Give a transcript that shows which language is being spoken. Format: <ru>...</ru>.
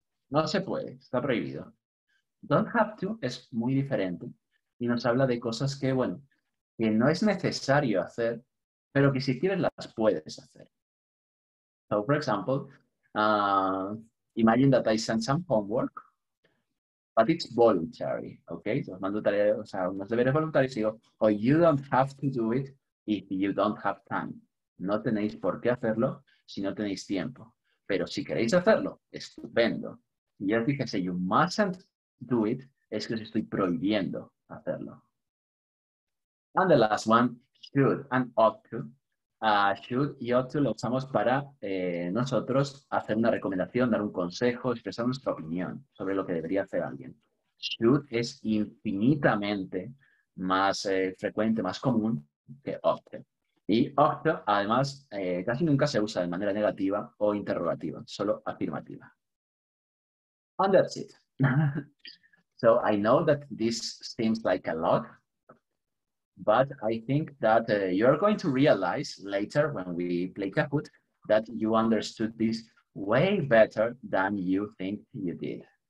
<es>No se puede, está prohibido. Don't have to es muy diferente y nos habla de cosas que, bueno, que no es necesario hacer, pero que si quieres las puedes hacer.</es> <en>So, for example, imagine that I send some homework, but it's voluntary, okay? So, os mando tareas, o sea, unos deberes voluntarios, y digo, oh, you don't have to do it if you don't have time.</en> <es>No tenéis por qué hacerlo si no tenéis tiempo. Pero si queréis hacerlo, estupendo. Y yo dije, si you mustn't do it, es que os estoy prohibiendo hacerlo.</es> <en>And the last one, should and ought to.</en> <es>Should y ought to lo usamos para nosotros hacer una recomendación, dar un consejo, expresar nuestra opinión sobre lo que debería hacer alguien. Should es infinitamente más frecuente, más común que ought. Y ought, además, casi nunca se usa de manera negativa o interrogativa, solo afirmativa.</es> <en>And that's it. So I know that this seems like a lot. But I think that you're going to realize later when we play Kahoot that you understood this way better than you think you did.</en>